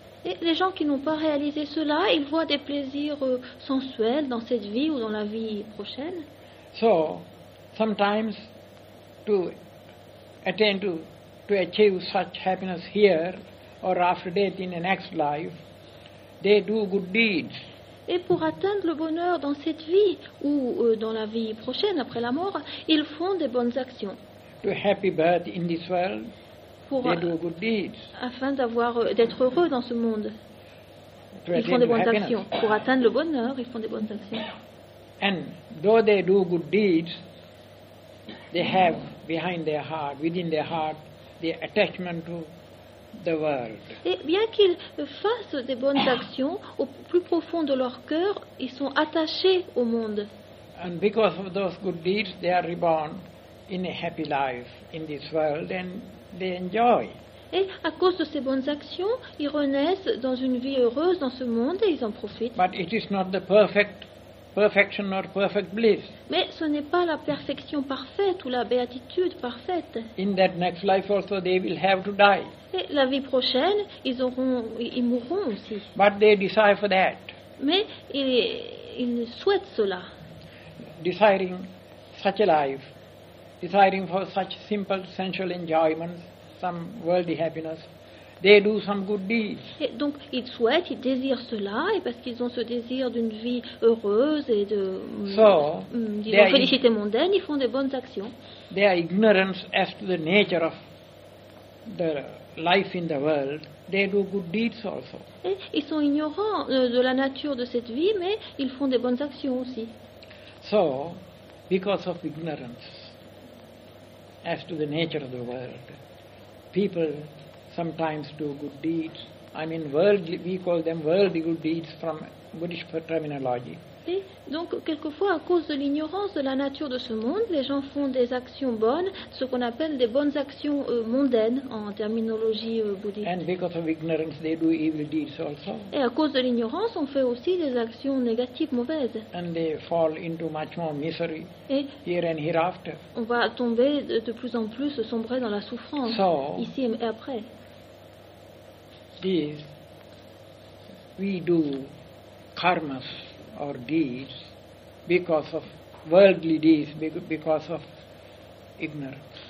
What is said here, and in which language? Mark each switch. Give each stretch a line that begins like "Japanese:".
French: Et les gens qui n'ont pas réalisé cela, ils voient des plaisirs sensuels dans cette vie ou dans la vie prochaine.
English: So, sometimes to attain to achieve such happiness here or after death in the next life, they do good deeds.
French: Et pour atteindre le bonheur dans cette vie ou dans la vie prochaine après la mort, ils font des bonnes actions.
English: To happy birth in this world, they do good deeds.
French: Afin d'avoir d'être heureux dans ce monde, ils font des bonnes actions. Pour atteindre le bonheur, ils font des bonnes actions.
English: And though they do good deeds, they have behind their heart, within their heart, the attachment to the world.
French: Et bien qu'ils fassent des bonnes actions, au plus profond de leur cœur, ils sont attachés au monde.
English: And because of those good deeds, they are reborn in a happy life in this world, and they enjoy.
French: Et à cause de ces bonnes actions, ils renaissent dans une vie heureuse dans ce monde et ils en profitent.
English: But it is not the perfect. Perfection or perfect bliss.
French: Mais ce n'est pas la perfection parfaite ou la béatitude parfaite.
English: In that next life also they will have to die.
French: Et la vie prochaine, ils mourront aussi.
English: But they desire for that.
French: Mais ils souhaitent cela.
English: Desiring such a life, desiring for such simple sensual enjoyments, some worldly happiness. They do some good deeds.
French: Et donc, ils souhaitent, ils désirent cela, et parce qu'ils ont ce désir d'une vie heureuse et de disons, félicité mondaine, ils font des bonnes actions.
English: Their ignorance as to the nature of the life in the world, they do good deeds also.
French: Et ils sont ignorants de la nature de cette vie, mais ils font des bonnes actions aussi.
English: So, because of ignorance as to the nature of the world, people sometimes do good deeds. I mean, worldly, we call them worldly good deeds from Buddhist terminology.
French: Et donc, quelquefois, à cause de l'ignorance de la nature de ce monde, les gens font des actions bonnes, ce qu'on appelle des bonnes actions mondaines en terminologie bouddhiste.
English: And because of ignorance, they do evil deeds also.
French: Et à cause de l'ignorance, on fait aussi des actions négatives, mauvaises.
English: And they fall into much more misery here and hereafter.
French: On va tomber de plus en plus, sombrer dans la souffrance,
English: so,
French: ici et après.
English: These, we do karmas or deeds because of worldly deeds, because of ignorance.